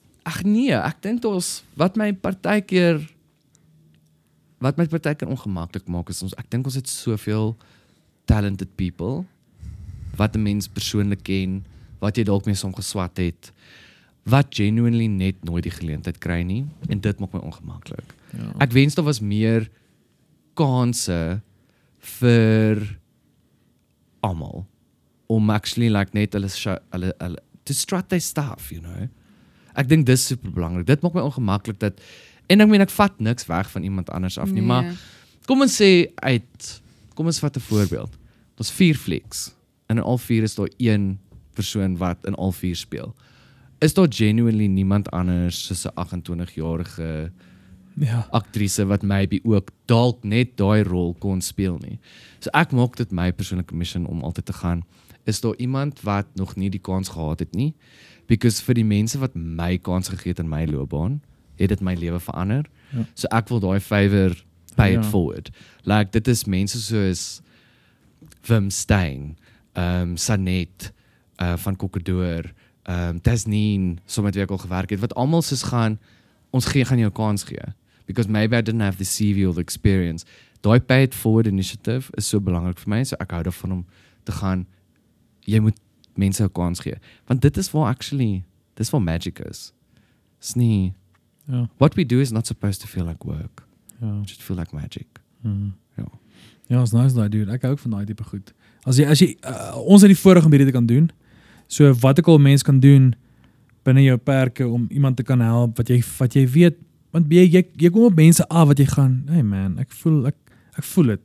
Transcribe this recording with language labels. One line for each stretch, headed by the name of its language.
Afrikaans: Ag nee, ek dink ons wat my partykeer ongemaklik maak is ons ek dink ons het soveel
English: talented people
Afrikaans: wat 'n mens persoonlik ken, wat jy dalk mee som geswat het, wat genuinely net nooit die geleentheid kry nie en dit maak my ongemaklik. Ja. Ek wens daar was meer kansse vir almal om actually like net hulle
English: to strut their stuff, you know.
Afrikaans: Ek dink dis super belangrik. Dit maak my ongemaklik dat en ek meen ek vat niks weg van iemand anders af nie, maar kom ons vat 'n voorbeeld. Ons vier flieks en in al vier is daar een persoon wat in al vier speel. Is daar genuinely niemand anders soos 'n 28-jarige aktrise wat maybe ook dalk net daai rol kon speel nie. So ek maak dit my persoonlike mission om altyd te gaan. Is daar iemand wat nog nie die kans gehad het nie? Because vir die mense wat my kans gegee het in my loopbaan, het dit my lewe verander. Ja. So ek wil daai favor
English: pay it forward.
Afrikaans: Like dit is mense soos Wim Steyn, Sanet van Kokkedoor, Tasneen, so met wie ek al gewerk het, wat almal soos gaan, ons gaan jou kans gee.
English: Because maybe I didn't have the CV or the experience.
Afrikaans: Daai
English: pay it forward initiative
Afrikaans: is so belangrik vir my, so ek hou daarvan om te gaan, jy moet mense 'n kans gee. Want dit is waar actually, dis waar magic is.
English: It's nie, what we do is not supposed to feel like work. It should feel like magic. Mm-hmm. Ja, it's nice that I do it.
Afrikaans: Ek hou ook van die tipe goed. As jy ons het die vorige gebiede kan doen, so wat ek al mens kan doen, binnen jou perke, om iemand te kan help, wat jy weet, want jy kom op mense af, wat jy gaan, hey man, ek voel het.